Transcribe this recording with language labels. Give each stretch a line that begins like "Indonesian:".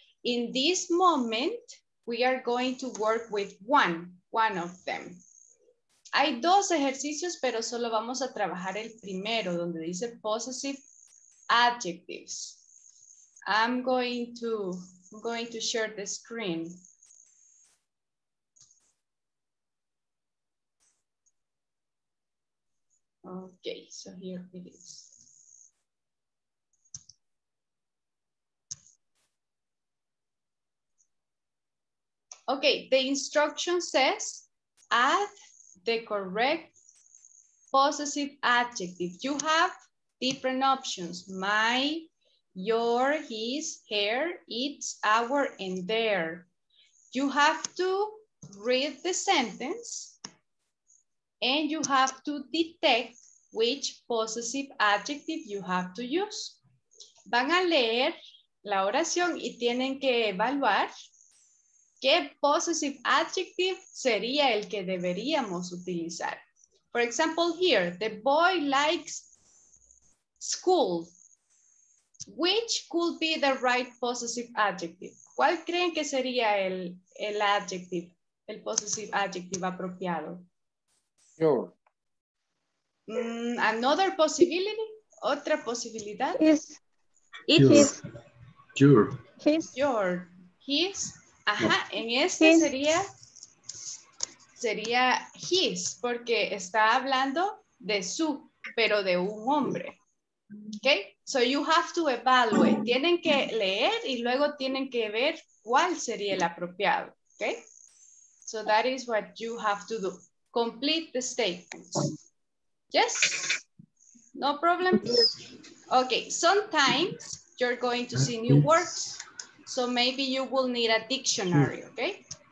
English: In this moment, we are going to work with one of them.
Spanish: Hay dos ejercicios, pero solo vamos a trabajar el primero, donde dice possessive adjectives.
English: I'm going to share the screen. Okay, so here it is. Okay, the instruction says add the correct possessive adjective. You have different options. My, your, his, her, it's, our, and their. You have to read the sentence and you have to detect which possessive adjective you have to use.
Spanish: Van a leer la oración y tienen que evaluar qué possessive adjective sería el que deberíamos utilizar.
English: For example, here, the boy likes school. Which could be the right possessive adjective?
Spanish: ¿Cuál creen que sería el adjective, el possessive adjective apropiado?
English: Sure. Another possibility?
Spanish: Otra posibilidad?
English: His.
Spanish: Ajá, en este his. sería his, porque está hablando de su, pero de un hombre.
English: Okay, so you have to evaluate.
Spanish: Tienen que leer y luego tienen que ver cuál sería el apropiado.
English: Okay, so that is what you have to do. Complete the statements. Yes, no problem. Okay, sometimes you're going to see new words, so maybe you will need a dictionary, okay?